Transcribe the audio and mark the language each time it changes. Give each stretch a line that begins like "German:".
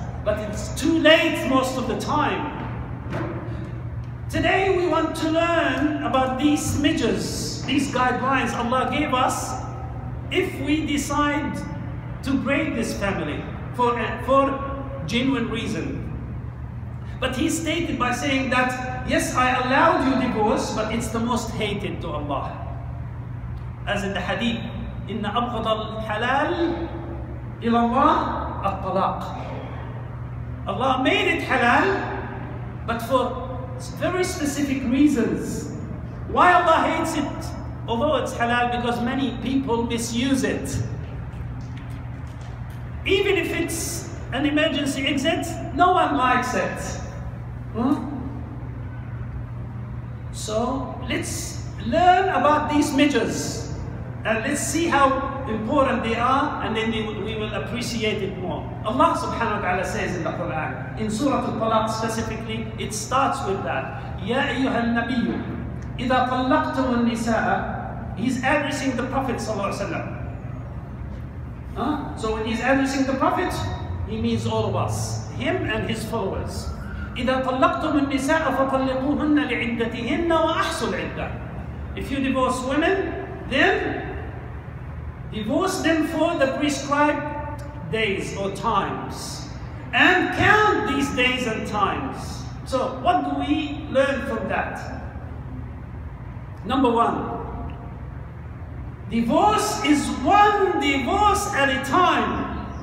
English: But it's too late most of the time. Today we want to learn about these measures, these guidelines Allah gave us if we decide to break this family for genuine reason. But he stated by saying that, yes, I allowed you divorce, but it's the most hated to Allah.
Arabic: As in the hadith, إِنَّ أَبْغَضَ الْحَلَالِ إِلَى اللَّهِ الطَّلَاقِ.
English: Allah made it halal, but for very specific reasons. Why Allah hates it? Although it's halal, because many people misuse it. Even if it's an emergency exit, no one likes it. So let's learn about these measures and let's see how important they are, and then we will appreciate it more. Allah subhanahu wa ta'ala says in the Quran, in Surah Al-Talaq specifically, it starts with that.
Arabic: Ya ayyuha al-Nabiyyu, idha talaqtum al-nisa'a.
English: He's addressing the Prophet sallallahu alayhi wa sallam. So when he's addressing the Prophet, he means all of us, him and his followers.
Arabic: إذا طلقتم النساء فطلقوهن لعدتهن وأحصوا العدة.
English: If you divorce women, then divorce them for the prescribed days or times, and count these days and times. So what do we learn from that? Number one, divorce is one divorce at a time.